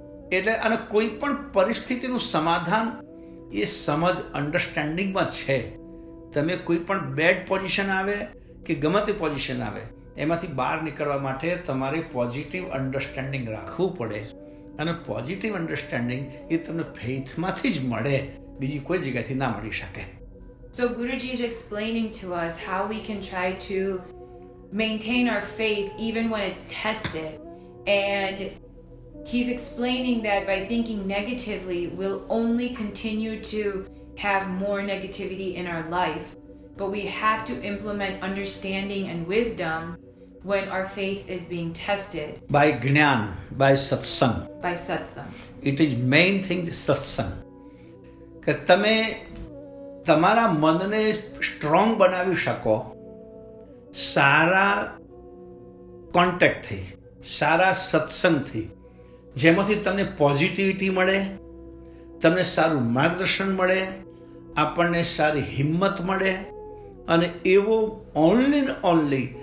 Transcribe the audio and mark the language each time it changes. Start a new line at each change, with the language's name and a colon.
Gujarati: એટલે અને કોઈ પણ પરિસ્થિતિનું સમાધાન એ સમજ, અન્ડરસ્ટેન્ડિંગમાં છે. તમે કોઈ પણ બેડ પોઝિશન આવે કે ગમે તે પોઝિશન આવે, એમાંથી બહાર નીકળવા માટે તમારે પોઝિટિવ અન્ડરસ્ટેન્ડિંગ રાખવું પડે, અને પોઝિટિવ અન્ડરસ્ટેન્ડિંગ એ તમને ફેઇથમાંથી જ મળે, બીજી કોઈ જગ્યાથી ના મળી શકે.
English: So Guruji is explaining to us how we can try to maintain our faith even when it's tested. And he's explaining that by thinking negatively, we'll only continue to have more negativity in our life. But we have to implement understanding and wisdom when our faith is being tested. By Gnan, by Satsang. By Satsang. It is main thing is Satsang.
Gujarati: Ke tame તમારા મનને strong બનાવી શકો સારા કોન્ટેક્ટથી, સારા સત્સંગથી, જેમાંથી તમને positivity મળે, તમને સારું માર્ગદર્શન મળે, આપણને સારી હિંમત મળે, અને એવો ઓનલી ને ઓનલી